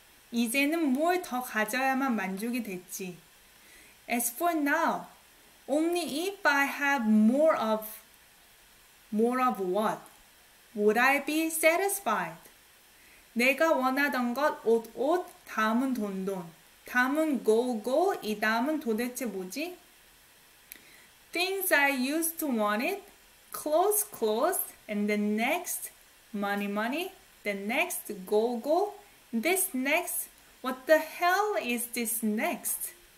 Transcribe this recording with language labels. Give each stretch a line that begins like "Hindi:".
Korean: 이제는 뭘 더 가져야만 만족이 됐지.
English: As for now, only if I have more of what would I be satisfied.
Korean: 내가 원하던 것 옷 다음은 돈 다음은 go 이 다음은 도대체 뭐지?
English: Things I used to wanted, close, and the next, money, the next, go, this next, what the hell is this next?